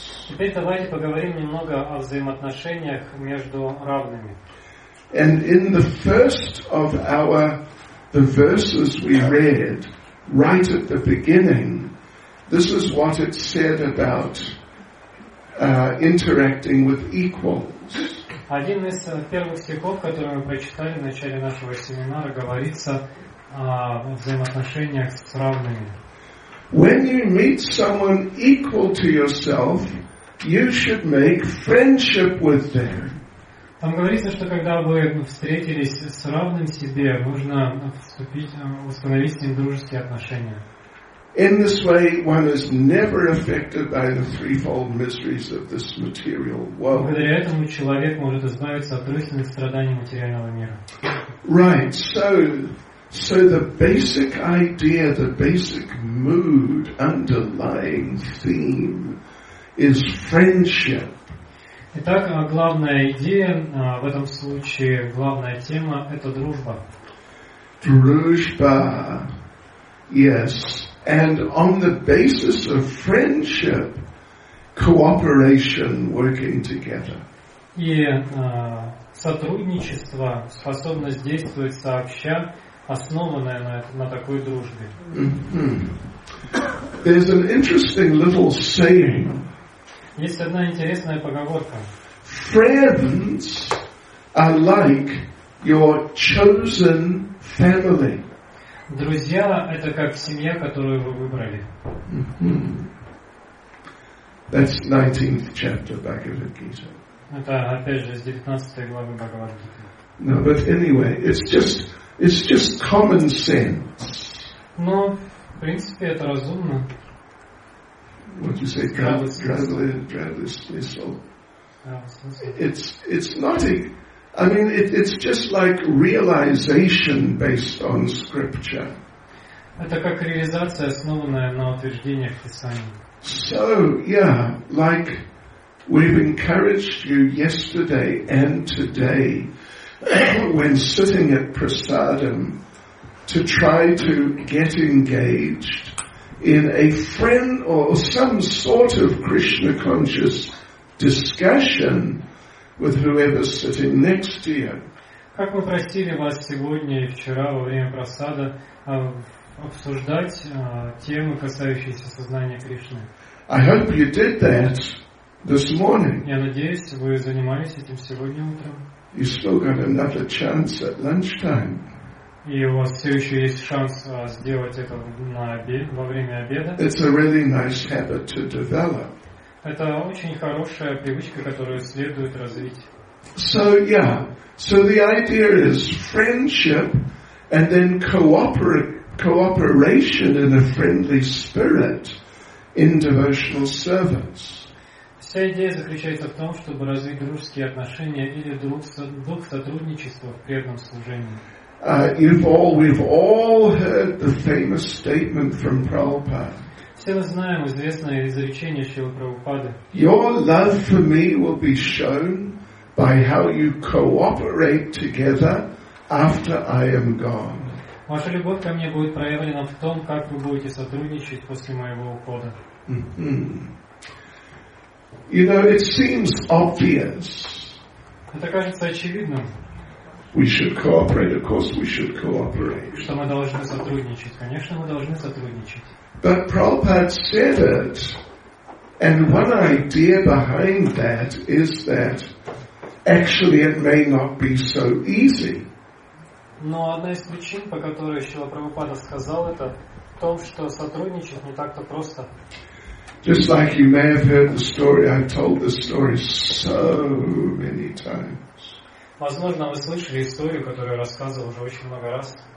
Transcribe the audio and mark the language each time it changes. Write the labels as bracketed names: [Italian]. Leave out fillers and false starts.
[Russian] Теперь давайте поговорим немного о взаимоотношениях между равными. [English] And in the first of the verses we read, right at the beginning, this is what it said about interacting with equals. [Russian] Один из первых стихов, который мы прочитали в начале нашего семинара, говорится о взаимоотношениях с равными. [English] When you meet someone equal to yourself, you should make friendship with them. [Russian] Там говорится, что когда вы встретились с равным себе, нужно установить с ним дружеские отношения. [English] In this way, one is never affected by the threefold miseries of this material world. [Russian] Благодаря этому человек может избавиться от трёх страданий материального мира. [English] Right. So the basic idea, the basic mood, underlying theme is friendship. [Russian] Итак, главная идея в этом случае, главная тема – это дружба. Дружба, [English] yes. And on the basis of friendship, cooperation, working together. [Russian] И сотрудничество, способность действовать сообща, основанная на такой дружбе. [English] There's an interesting little saying. [Russian] Есть одна интересная поговорка. [English] Friends are like your chosen family. [Russian] Друзья – это как семья, которую вы выбрали. [English] That's 19th chapter Bhagavad Gita. [Russian] Это, опять же, из 19 главы Бхагавад Гиты. [English] No, but anyway, it's just common sense. [Russian] Но, в принципе, это разумно. [English] What do you say? Gravel, it's not a... I mean, it's just like realization based on scripture. [Russian] Это как реализация, основанная на утверждениях Писания. [English] So, yeah, like we've encouraged you yesterday and today when sitting at prasadam to try to get engaged in a friend or some sort of Krishna conscious discussion with whoever's sitting next to you. [Russian] Как мы просили вас сегодня и вчера во время просада обсуждать темы, касающиеся сознания Кришны. [English] I hope you did that this morning. [Russian] Я надеюсь, вы занимались этим сегодня утром. [English] You still got another chance at lunchtime. [Russian] И у вас все еще есть шанс сделать это во время обеда. [English] It's a really nice habit to develop. [Russian] Это очень хорошая привычка, которую следует развить. [English] So, yeah. So the idea is friendship and then cooperation in a friendly spirit in devotional service. [Russian] Вся идея заключается в том, чтобы развить дружеские отношения или дух сотрудничества в преданном служении. [English] We've all heard the famous statement from Prabhupada. [Russian] Все мы знаем известное изречение Шрилы Прабхупады. [English] Your love for me will be shown by how you cooperate together after I am gone. [Russian] Ваша любовь ко мне будет проявлена в том, как вы будете сотрудничать после моего ухода. [English] You know, it seems obvious. [Russian] Это кажется очевидным. [English] We should cooperate. Of course, we should cooperate. [Russian] Что мы должны сотрудничать? Конечно, мы должны сотрудничать. [English] But Prabhupada said it, and one idea behind that is that actually it may not be so easy. [Russian] Но одна из причин, по которой Шрила Прабхупада сказал это, в том, что сотрудничать не так-то просто. [English] Just like you may have heard the story, I've told this story so many times. [Russian] Возможно, вы слышали историю, которую я рассказывал уже очень много раз.